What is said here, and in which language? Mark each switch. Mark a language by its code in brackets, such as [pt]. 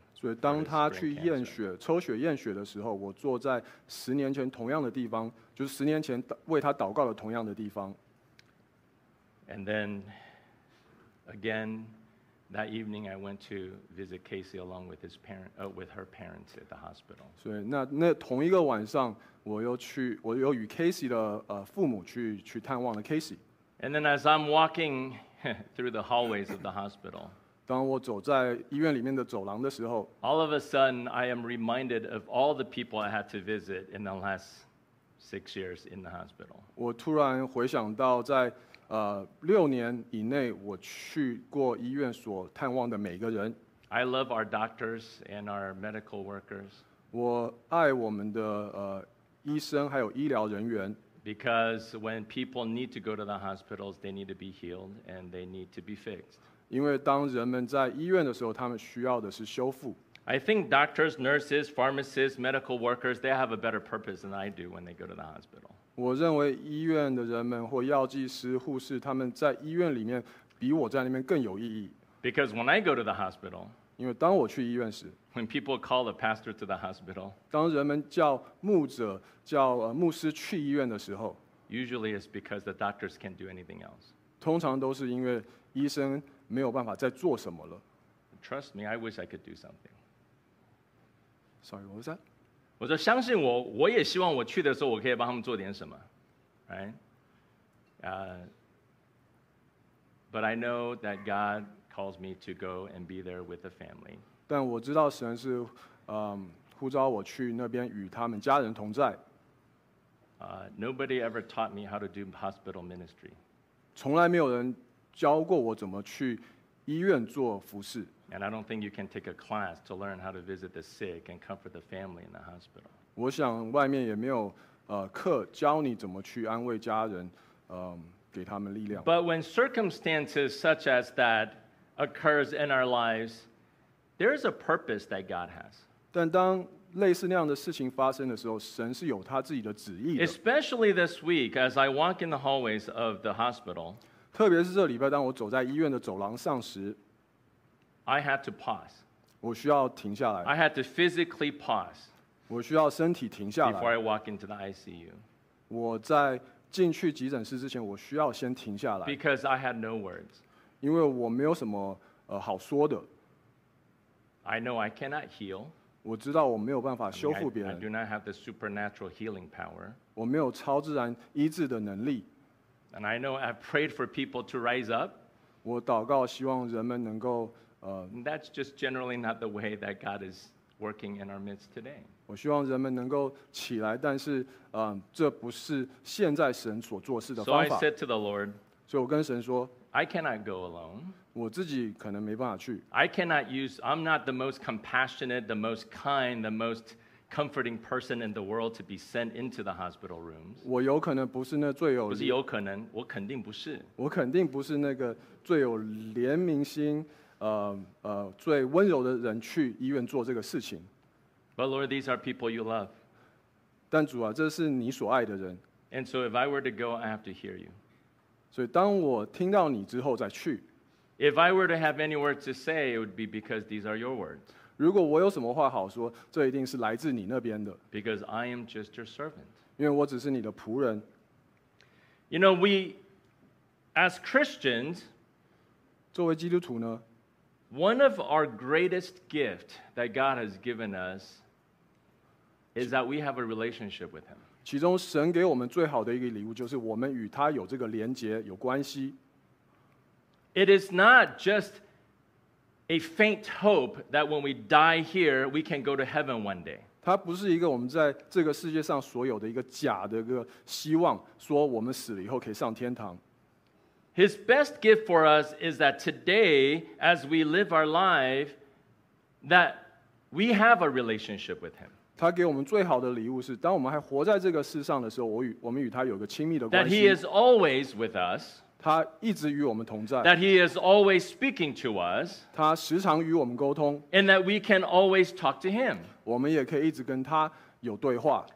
[zh] 所以当他去验血、抽血验血的时候，我坐在十年前同样的地方，就是十年前为他祷告的同样的地方。 [en] And then, again, that evening I went to visit Casey along with his parent, with her parents at the hospital. [zh] 所以那同一个晚上，我又与 Casey 的父母去探望了 Casey。 [en] And then as I'm walking through the hallways of the hospital, [zh] 当我走在医院里面的走廊的时候 [en] all of a sudden I am reminded of all the people I had to visit in the last 6 years in the hospital. [zh] 我突然回想到在六年以内我去过医院所探望的每个人。 [en] I love our doctors and our medical workers. [zh] 我爱我们的医生还有医疗人员。 [en] Because when people need to go to the hospitals, they need to be healed and they need to be fixed. [zh] 因为当人们在医院的时候，他们需要的是修复。 [en] I think doctors, nurses, pharmacists, medical workers, they have a better purpose than I do when they go to the hospital. [zh] 我认为医院的人们或药剂师、护士，他们在医院里面比我在那边更有意义。 [en] Because when I go to the hospital, [zh] 因为当我去医院时 [en] when people call the pastor to the hospital, [zh] 当人们叫牧者、叫牧师去医院的时候 [en] usually it's because the doctors can't do anything else. [zh] 通常都是因为医生没有办法再做什么了。 [en] Trust me, I wish I could do something. Sorry, what was that? [zh] 我说相信我，我也希望我去的时候，我可以帮他们做点什么 ， [en] right? But I know that God calls me to go and be there with the family. [zh] 但我知道神是，呼召我去那边与他们家人同在。 [en] Nobody ever taught me how to do hospital ministry. [zh] 从来没有人教过我怎么去医院做服事。 [en] And I don't think you can take a class to learn how to visit the sick and comfort the family in the hospital. [zh] 我想外面也没有课教你怎么去安慰家人，给他们力量。 [en] But when circumstances such as that occurs in our lives, there is a purpose that God has. [zh] 但当类似那样的事情发生的时候，神是有他自己的旨意的。 [en] Especially this week, as I walk in the hallways of the hospital, [zh] 特别是这礼拜，当我走在医院的走廊上时。 [en] I had to pause. [zh] 我需要停下来。 [en] I had to physically pause. [zh] 我需要身体停下来。 [en] Before I walk into the ICU. [zh] 我在进去急诊室之前，我需要先停下来。 [en] Because I had no words. [zh] 因为我没有什么好说的。 [en] I know I cannot heal. [zh] 我知道我没有办法修复别人。 [en] I do not have the supernatural healing power. [zh] 我没有超自然医治的能力。 [en] And I know I've prayed for people to rise up. [zh] 我祷告希望人们能够 [en] And that's just generally not the way that God is working in our midst today. [zh] 我希望人们能够起来，但是这不是现在神所做事的方法。 [en] So I said to the Lord, [zh] 所以我跟神说 [en] I cannot go alone. [zh] 我自己可能没办法去。 [en] I'm not the most compassionate, the most kind, the most comforting person in the world to be sent into the hospital rooms. [zh] 我有可能不是那最有不是有可能，我肯定不是。我肯定不是那个最有怜悯心。最温柔的人去医院做这个事情。 [en] But Lord, these are people you love. [zh] 但主啊，这是你所爱的人。 [en] And so if I were to go, I have to hear you. [zh] 所以当我听到你之后再去。 [en] If I were to have any words to say, it would be because these are your words. [zh] 如果我有什么话好说，这一定是来自你那边的。 [en] Because I am just your servant. [zh] 因为我只是你的仆人。 [en] You know, we, as Christians, [zh] 作为基督徒呢， [en] One of our greatest gifts that God has given us is that we have a relationship with Him. [zh] 其中神给我们最好的一个礼物就是我们与他有这个连结，有关系。 [en] It is not just a faint hope that when we die here, we can go to heaven one day. [zh] 它不是一个我们在这个世界上所有的一个假的一个希望，说我们死了以后可以上天堂。 [en] His best gift for us is that today, as we live our life, that we have a relationship with Him. [zh] 他给我们最好的礼物是，当我们还活在这个世上的时候，我们与他有个亲密的关系。 [en] That He is always with us. [zh] 他一直与我们同在。 [en] That He is always speaking to us. [zh] 他时常与我们沟通。 [en] And that we can always talk to Him. [zh] 我们也可以一直跟他有对话。